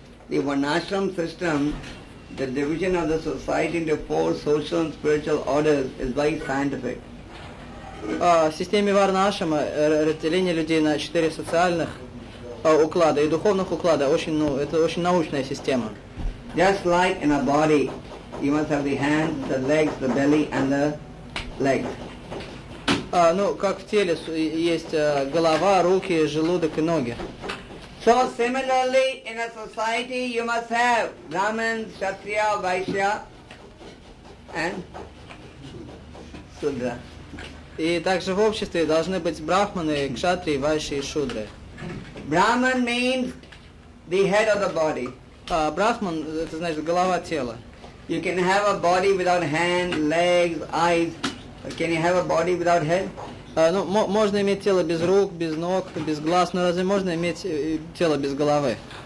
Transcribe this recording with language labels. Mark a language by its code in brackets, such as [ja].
[en] The Varnashram system, the division of the society into four social and spiritual orders, is very scientific. [ru] Системе Варнашрама разделение людей на четыре социальных уклада и духовных уклада очень научная система. [en] Just like in a body, you must have the hands, the legs, the belly, and the legs. [ru] Ну, как в теле есть голова, руки, желудок и ноги. [en] So similarly, in a society, you must have Brahmin, Kshatriya, Vaishya, and Shudra. [ru] И также в обществе должны быть Брахманы, Кшатрии, Вайши и Шудры. [en] Brahman means the head of the body. [ru] Брахман – это значит голова тела. [en] You can have a body without hands, legs, eyes. Can you have a body without head? [ru] Можно иметь тело без рук, без ног, без глаз, но разве можно иметь тело без головы?